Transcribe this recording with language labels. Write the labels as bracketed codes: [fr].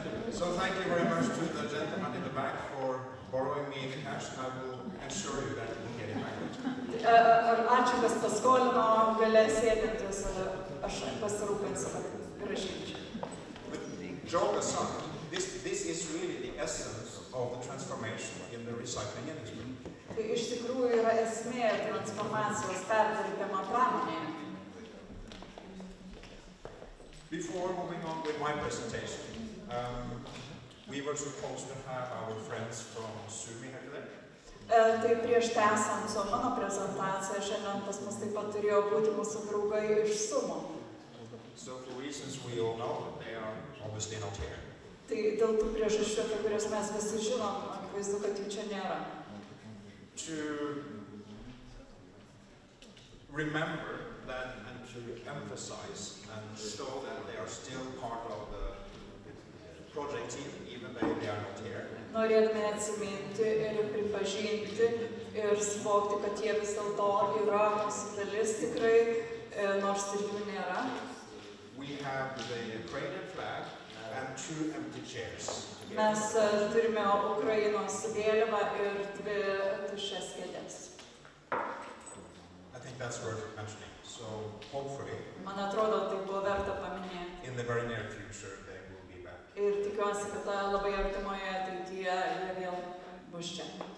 [en] So thank you very much to the gentleman in the back for borrowing me the cash. I will assure you that we'll get it back. [lt] Ačiū, kas paskolino, galės sėdintis, aš pasirūpinsiu, grįžinčiu. [en] Joke aside, this is really the essence of the transformation in the recycling industry. [lt] Tai iš tikrųjų yra esmė transformacijos perdirbimo pramonėje. [en] Before moving on with my presentation, we were supposed to have our friends from Sumi here today. [lt] Tai prieš tęsant su mano prezentacija, šiandien pas mus taip pat turėjo būti mūsų draugai iš Sumo. [en] So for reasons we all know, they are obviously not here. [lt] Tai dėl tų priežasčių, apie kurias mes visi žinom, akivaizdu, kad jų čia nėra. [en] To remember that and to emphasize and show that they are still part of the project team, even though they are not here. [lt] Norėdami atsiminti ir pripažinti ir suvokti, kad jie vis dėlto yra mūsų dalis tikrai, nors ir jų nėra. [en] We have the Ukrainian flag and 2 empty chairs. [lt] Mes turime Ukrainos vėliavą ir 2 tuščias kėdes. [en] I think that's worth mentioning. So hopefully, [lt] man atrodo, tai buvo verta paminėti. [en] In the very near future, they will be back. [lt] Ir tikiuosi, kad labai artimoje ateityje jie vėl bus čia.